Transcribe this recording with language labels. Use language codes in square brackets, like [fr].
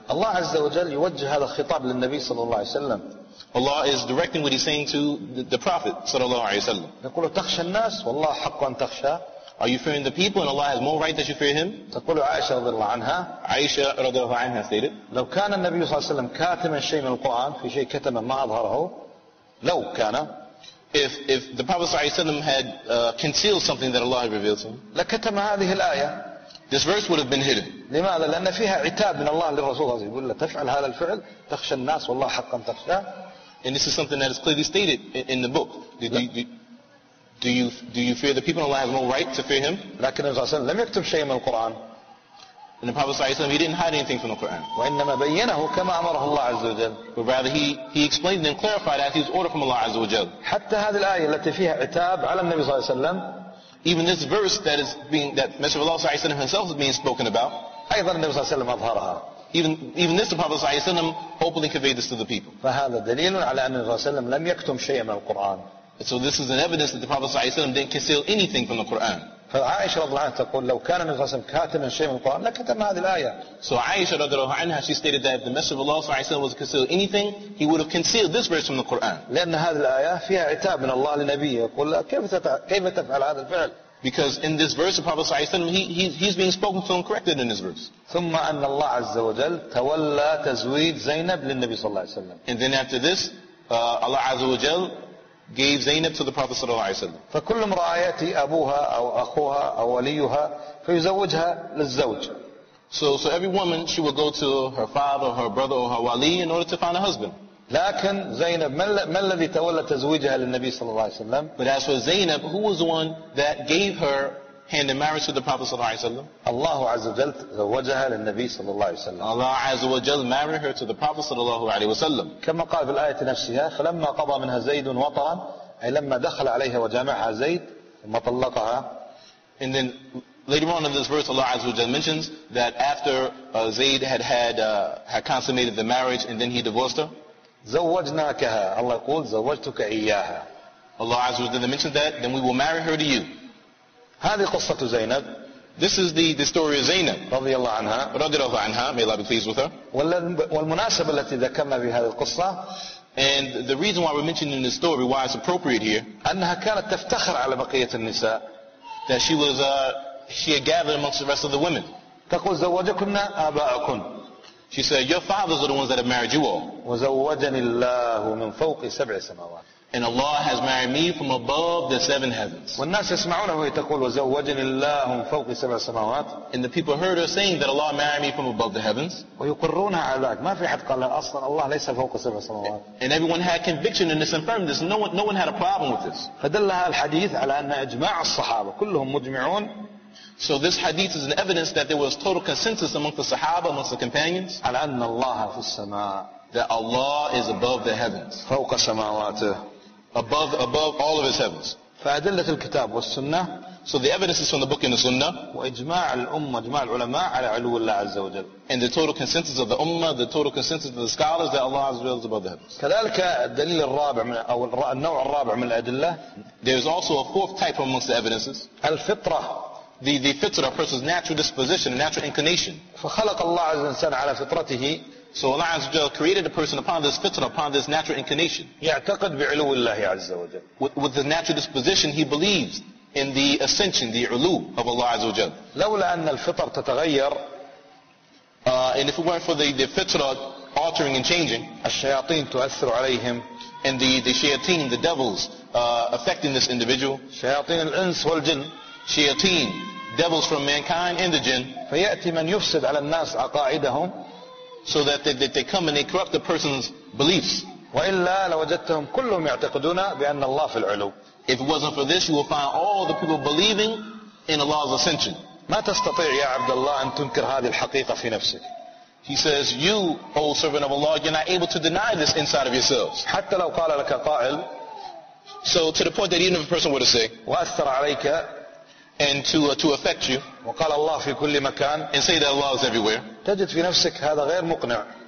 [ar] الله عز وجل يوجه هذا الخطاب للنبي صلى الله عليه وسلم. [en] Allah is directing what He's saying to the Prophet صلى الله عليه وسلم. [ar] يقول تخشى الناس والله حق أن تخشى. [en] Are you fearing the people and Allah has more right that you fear him? [ar] تقول عائشة رضي الله عنها. [en] عائشة رضي الله عنها stated. [ar] لو كان النبي صلى الله عليه وسلم كاتما شيء من القرآن في شيء كتما ما أظهره. لو كان. [en] If the Prophet صلى الله عليه وسلم had concealed something that Allah had revealed to him. [ar] لكتم هذه الآية. [en] This verse would have been hidden. [ar] لماذا؟ لأن فيها عتاب من الله للرسول صلى الله عليه وسلم. تفعل هذا الفعل تخشى الناس والله حقا تخشى. [en] And this is something that is clearly stated in the book. Do you fear the people? Allah has no right to fear him. [ar] لكن النبي صلى الله عليه وسلم لم يكتب شيء من القرآن. [en] And the Prophet صلى الله عليه وسلم he didn't hide anything from the Quran. [ar] وإنما بينه كما أمره الله عز وجل. [en] But rather he explained and clarified as he was ordered from Allah عز وجل. [ar] حتى هذه الآية التي فيها عتاب على النبي صلى الله عليه وسلم. [en] Even this verse that Messenger of Allah صلى الله عليه وسلم himself is being spoken about. [ar] أيضا النبي صلى الله عليه وسلم أظهرها. [en] Even this, the Prophet صلى الله عليه وسلم openly conveyed this to the people. [ar] فهذا دليل على أن الرسول لم يكتم شيئا من القرآن. [en] So this is an evidence that the Prophet صلى الله عليه وسلم didn't conceal anything from the Quran. [ar] فعائشة رضي الله عنها تقول لو كان الرسول كاتما شيئا من القرآن لكتم هذه الآية. [en] So عائشة رضي الله عنها, she stated that if the Messenger of Allah صلى الله عليه وسلم was to conceal anything, he would have concealed this verse from the Quran. [ar] لأن هذه الآية فيها عتاب من الله لنبيه يقول كيف تفعل هذا الفعل. [en] Because in this verse, the Prophet صلى الله عليه وسلم, he's being spoken to and corrected in this verse. [ar] ثم أن الله عز وجل تولى تزويد زينب للنبي صلى الله عليه وسلم. [en] And then after this, Allah عز وجل gave Zainab to the Prophet صلى الله عليه وسلم. [ar] فكل امرأة يأتي أبوها أو أخوها أو وليها فيزوجها للزوج. [en] So every woman she will go to her father or her brother or her wali in order to find a husband. [ar] لكن زينب ما الذي تولى تزويجها للنبي صلى الله عليه وسلم؟ [en] But as for Zainab, who was the one that gave her hand in marriage to the Prophet صلى الله عليه وسلم؟ [ar] الله عز وجل زوجها للنبي صلى الله عليه وسلم. [en] Allah عز وجل married her to the Prophet صلى الله عليه وسلم. [ar] كما قال في الآية نفسها فلما قضى منها زيد وطرا أي لما دخل عليها وجامعها زيد ثم طلقها. [en] And then later on in this verse, Allah Azza wa Jalla mentions that after Zayd had consummated the marriage and then he divorced her. [ar] زوجناكها الله يقول زوجتك إياها. [en] Allah Azza wa Jalla mentions that then we will marry her to you. [ar] هذه قصة زينب. [en] This is the story of Zainab. [ar] رضي الله عنها. رضي الله عنها. [en] May Allah be pleased with her. [ar] والمناسبة التي ذكرنا بهذه القصة. [en] And the reason why we're mentioning this story, why it's appropriate here. [ar] أنها كانت تفتخر على بقية النساء. [en] That she had gathered amongst the rest of the women. [ar] تقول زوجكن آباءكن. [en] She said, your fathers are the ones that have married you all. [ar] وزوجني الله من فوق سبع سماوات. [en] And Allah has married me from above the seven heavens. [ar] والناس يسمعونه يتقول وزوجني الله من فوق سبع سماوات. [en] And the people heard her saying that Allah married me from above the heavens. [ar] ويقرونها على ذلك. ما في حد قال أصلا الله ليس فوق سبع سماوات. [en] And everyone had conviction in this and affirmed this. No one had a problem with this. [ar] فدلها الحديث على أن إجماع الصحابة كلهم مجمعون. [en] So this hadith is an evidence that there was total consensus among the Sahaba, amongst the companions. [ar] على أن الله في السماء. [en] That Allah is above the heavens. [ar] فوق سماواته. [en] Above all of His heavens. [ar] فأدلة الكتاب والسنة. [en] So the evidence is from the book and the Sunnah. [ar] وإجماع الأمة, إجماع العلماء على علو الله عز وجل. [en] And the total consensus of the Ummah, the total consensus of the scholars that Allah عز وجل is above the heavens. [ar] كذلك الدليل الرابع من أو النوع الرابع من الأدلة. [en] There is also a fourth type amongst the evidences. [ar] الفطرة. [en] The fitrah, a person's natural disposition, a natural inclination. [ar] فخلق الله عز وجل على فطرته. [en] So Allah عز وجل created a person upon this fitrah, upon this natural inclination. [ar] يعتقد بعلو الله عز وجل. [en] With the natural disposition, he believes in the ascension, the علو of Allah عز وجل. [ar] لولا أن الفطر تتغير. [en] And if it weren't for the fitrah altering and changing. [ar] الشياطين تؤثر عليهم. [en] And the shayateen, the devils, affecting this individual. [ar] شياطين الإنس والجن. [en] Shayateen, devils from mankind and the jinn. [ar] فيأتي من يفسد على الناس عقائدهم. [en] So that they come and they corrupt the person's beliefs. [ar] وإلا لوجدتهم كلهم يعتقدون بأن الله في العلو. [en] If it wasn't for this, you will find all the people believing in Allah's ascension. [ar] ما تستطيع يا عبد الله أن تنكر هذه الحقيقة في نفسك. [en] He says, you, O servant of Allah, you're not able to deny this inside of yourselves. [ar] حتى لو قال لك قائل. [en] So to the point that even if a person were to say. [ar] وأثر عليك. [en] And to affect you. [ar] وقال الله في كل مكان. [en] And say that Allah is everywhere. [ar] تجد في نفسك هذا غير مقنع.